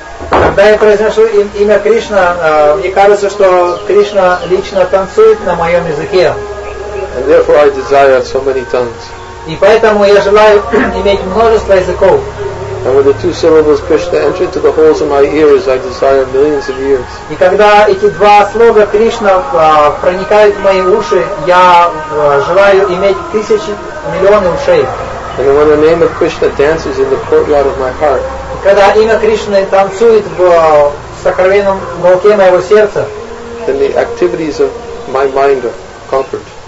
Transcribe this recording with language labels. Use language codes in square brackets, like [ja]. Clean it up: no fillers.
[ru] Когда я произношу имя Кришна, мне кажется, что Кришна лично танцует на моем языке. [en] And therefore I desire so many tongues. [ru] И поэтому я желаю иметь множество языков. [en] And when the two syllables Krishna enter into the holes of my ears, I desire millions of ears. [ru] И когда эти два слога Кришна проникают в мои уши, я желаю иметь тысячи, миллионы ушей. [en] And when the name of Krishna dances in the courtyard of my heart. [ru] И когда имя Кришны танцует в сокровенном уголке моего сердца. [en] Then the activities of my mind are conquered.